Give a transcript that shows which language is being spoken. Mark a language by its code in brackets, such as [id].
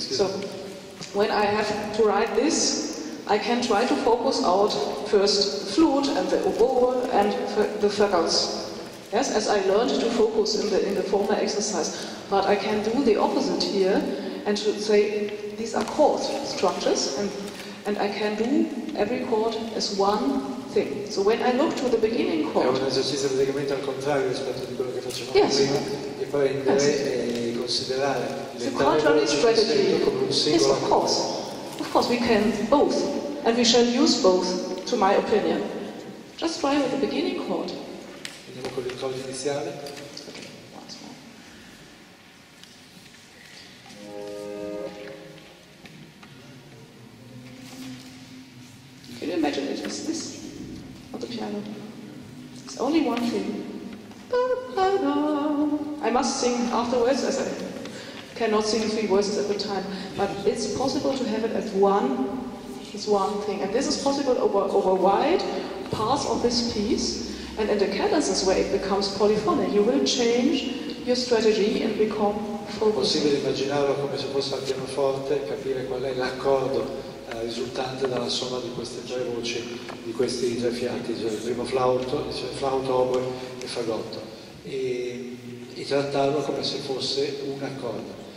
[en] So when I have to write this, I can try to focus out first flute and the oboe and the fagots. Yes, as I learned to focus in the former exercise. But I can do the opposite here and should say these are chord structures and I can do every chord as one thing. So when I look to the beginning chord. [it] È un esercizio praticamente al contrario rispetto di quello che facevamo prima, e poi considerare [en] the contrary strategy. Yes, of course. Of course we can both. And we shall use both, to my opinion. Just try with the beginning chord. [it] Vediamo con il codice iniziale. [en] Can you imagine it was this on the piano? It's only one thing. I must sing afterwards, as I cannot sing three voices at the time. But it's possible to have it as one, it's one thing. And this is possible over wide parts of this piece. And in the cadences where it becomes polyphonic, you will change your strategy and become focused. [it] È possibile immaginarlo come se fosse al pianoforte, capire qual è l'accordo risultante dalla somma di queste tre voci, di questi tre fiati, cioè il primo flauto, cioè flauto, oboe e fagotto, e trattarlo come se fosse un accordo.